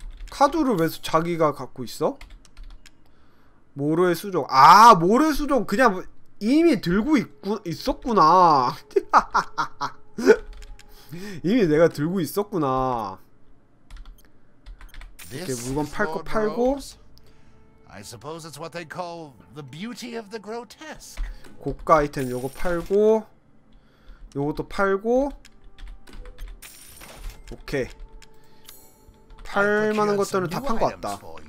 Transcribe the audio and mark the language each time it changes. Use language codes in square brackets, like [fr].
[ko] 카드를 왜 자기가 갖고 있어? 모래 수종. 아, 모래 수종 그냥 이미 들고 있었구나. 이미 내가 들고 있었구나. 이렇게 물건 팔 거 팔고. [en] I suppose it's what they call the beauty of the grotesque. [ko] 고가 아이템 요거 팔고 요것도 팔고. 오케이. 팔 만한 것들은 다 판 거 같다.